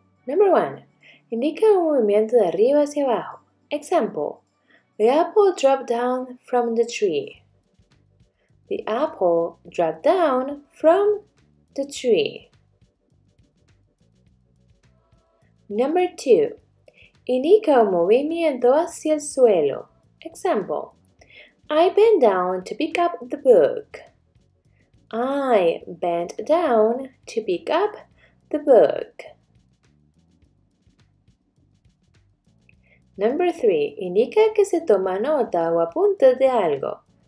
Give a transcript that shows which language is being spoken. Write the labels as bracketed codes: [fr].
[en] Number one, [es] indica un movimiento de arriba hacia abajo. [en] Example, the apple dropped down from the tree. The apple dropped down from the tree. Number two, [es] indica un movimiento hacia el suelo. [en] Example, I bent down to pick up the book. I bent down to pick up the book. Number three, [es] indica que se toma nota o apunta de algo.